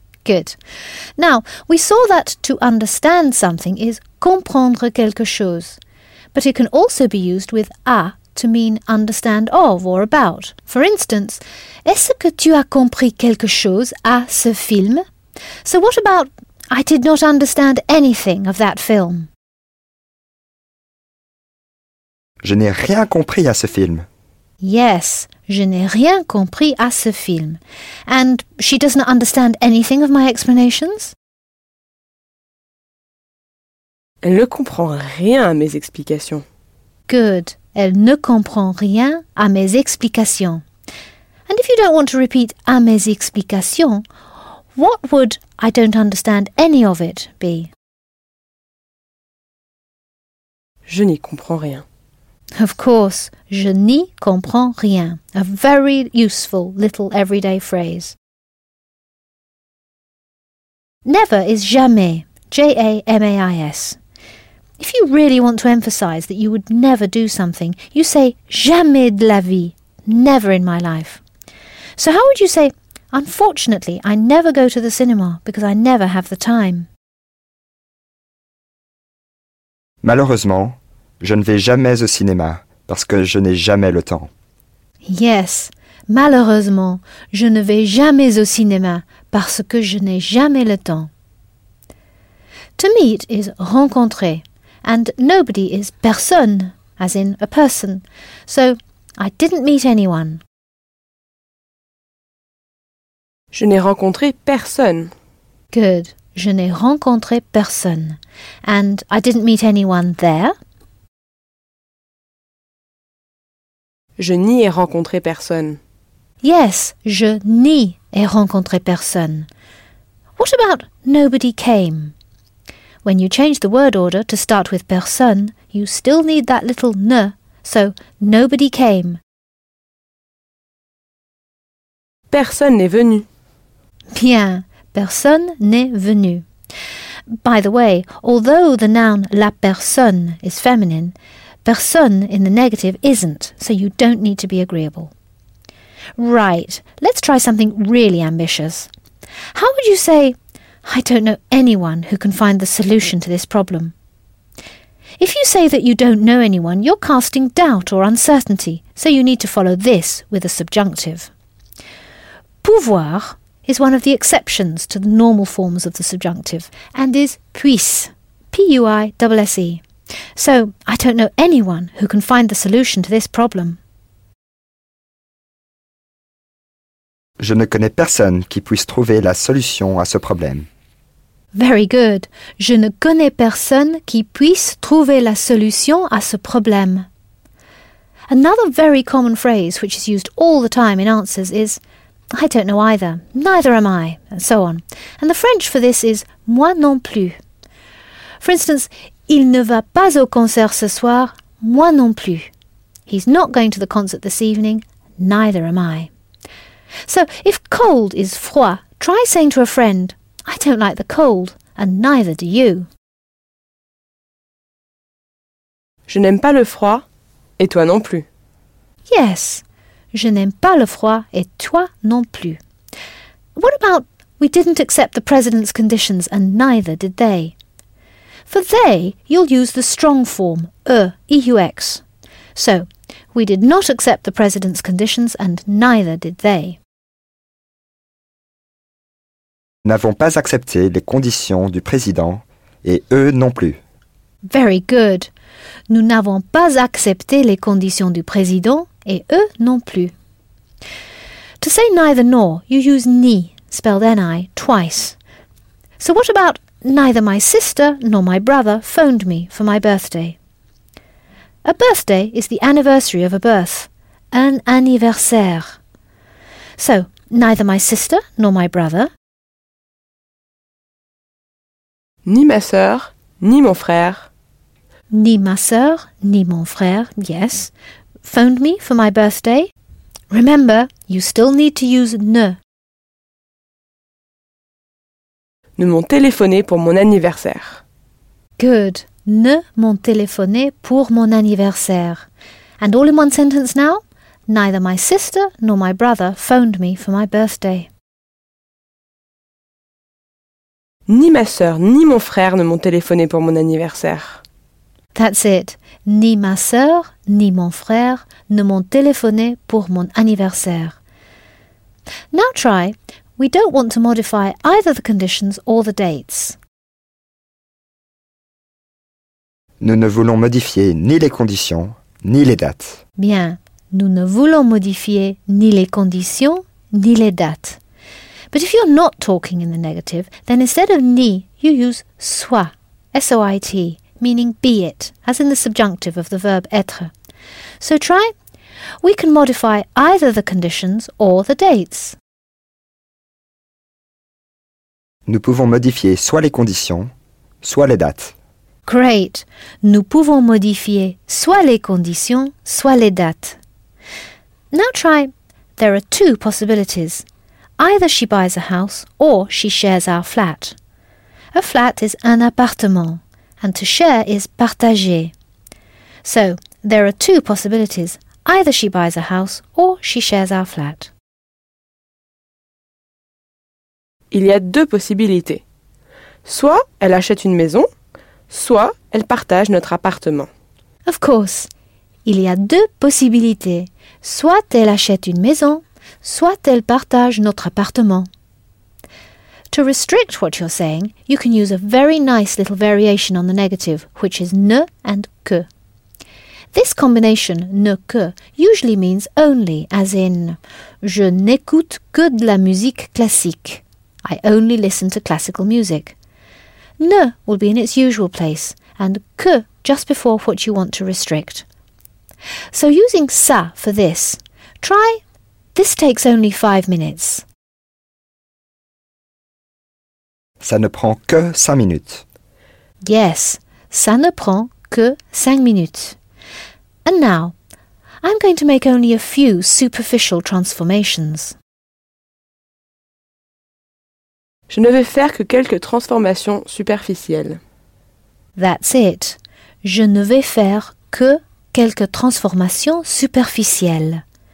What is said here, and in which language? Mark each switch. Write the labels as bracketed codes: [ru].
[en] Good. Now, we saw that to understand something is [fr] comprendre quelque chose. [en] But it can also be used with à to mean understand of or about. For instance, [fr] est-ce que tu as compris quelque chose à ce film? [en] So what about I did not understand anything of that film? [fr] Je n'ai rien compris à ce film. [en] Yes, [fr] je n'ai rien compris à ce film. [en] And she does not understand anything of my explanations? [fr] Elle ne comprend rien à mes explications. [en] Good. [fr] Elle ne comprend rien à mes explications. [en] And if you don't want to repeat [fr] à mes explications, [en] what would I don't understand any of it be? [fr] Je n'y comprends rien. [en] Of course, [fr] je n'y comprends rien. [en] A very useful little everyday phrase. Never is jamais, J-A-M-A-I-S. If you really want to emphasize that you would never do something, you say [fr] jamais de la vie, [en] never in my life. So how would you say, unfortunately, I never go to the cinema because I never have the time? [fr] Malheureusement, je ne vais jamais au cinéma parce que je n'ai jamais le temps. [en] Yes, [fr] malheureusement, je ne vais jamais au cinéma parce que je n'ai jamais le temps. [en] To meet is rencontrer. And nobody is personne, as in a person. So, I didn't meet anyone. [fr] Je n'ai rencontré personne. [en] Good. [fr] Je n'ai rencontré personne. [en] And I didn't meet anyone there. [fr] Je n'y ai rencontré personne. [en] Yes, [fr] je n'y ai rencontré personne. [en] What about nobody came? When you change the word order to start with personne, you still need that little ne, so nobody came. [fr] Personne n'est venu. Bien, personne n'est venu. [en] By the way, although the noun la personne is feminine, personne in the negative isn't, so you don't need to be agreeable. Right, let's try something really ambitious. How would you say I don't know anyone who can find the solution to this problem? If you say that you don't know anyone, you're casting doubt or uncertainty, so you need to follow this with a subjunctive. Pouvoir is one of the exceptions to the normal forms of the subjunctive, and is puisse, P-U-I-S-S-E. So, I don't know anyone who can find the solution to this problem. [fr] Je ne connais personne qui puisse trouver la solution à ce problème. [en] Very good. [fr] Je ne connais personne qui puisse trouver la solution à ce problème. [en] Another very common phrase which is used all the time in answers is I don't know either, neither am I, and so on. And the French for this is [fr] moi non plus. [en] For instance, [fr] il ne va pas au concert ce soir, moi non plus. [en] He's not going to the concert this evening, neither am I. So, if cold is froid, try saying to a friend, I don't like the cold, and neither do you. Je n'aime pas le froid, et toi non plus. Yes, je n'aime pas le froid, et toi non plus. What about, we didn't accept the president's conditions, and neither did they? For they, you'll use the strong form, EUX. So, we did not accept the president's conditions, and neither did they. [fr] N'avons pas accepté les conditions du président et eux non plus. [en] Very good. [fr] Nous n'avons pas accepté les conditions du président et eux non plus. [en] To say neither nor, you use ni, spelled N-I, twice. So what about neither my sister nor my brother phoned me for my birthday? A birthday is the anniversary of a birth, un anniversaire. So, neither my sister nor my brother. [fr] Ni ma sœur, ni mon frère. Ni ma sœur, ni mon frère, [en] yes. Phoned me for my birthday. Remember, you still need to use ne. [fr] Ne m'ont téléphoné pour mon anniversaire. [en] Good. [fr] Ne m'ont téléphoné pour mon anniversaire. [en] And all in one sentence now? Neither my sister nor my brother phoned me for my birthday. [fr] Ni ma sœur ni mon frère ne m'ont téléphoné pour mon anniversaire. [en] That's it. [fr] Ni ma sœur ni mon frère ne m'ont téléphoné pour mon anniversaire. [en] Now try. We don't want to modify either the conditions or the dates. [fr] Nous ne voulons modifier ni les conditions ni les dates. Bien. Nous ne voulons modifier ni les conditions ni les dates. [en] But if you're not talking in the negative, then instead of ni, you use soit, S-O-I-T, meaning be it, as in the subjunctive of the verb être. So try, we can modify either the conditions or the dates. [fr] Nous pouvons modifier soit les conditions, soit les dates. [en] Great! [fr] Nous pouvons modifier soit les conditions, soit les dates. [en] Now try, there are two possibilities. Either she buys a house or she shares our flat. A flat is un appartement, and to share is partager. So, there are two possibilities. Either she buys a house or she shares our flat. [fr] Il y a deux possibilités. Soit elle achète une maison, soit elle partage notre appartement. [en] Of course. [fr] Il y a deux possibilités. Soit elle achète une maison, soit elle partage notre appartement. [en] To restrict what you're saying, you can use a very nice little variation on the negative, which is ne and que. This combination, [fr] ne que, [en] usually means only, as in [fr] je n'écoute que de la musique classique. [en] I only listen to classical music. Ne will be in its usual place, and que just before what you want to restrict. So using ça for this, try this takes only 5 minutes. [fr] Ça ne prend que 5 minutes. [en] Yes, [fr] ça ne prend que 5 minutes. [en] And now, I'm going to make only a few superficial transformations. [fr] Je ne vais faire que quelques transformations superficielles. [en] That's it. [fr] Je ne vais faire que quelques transformations superficielles.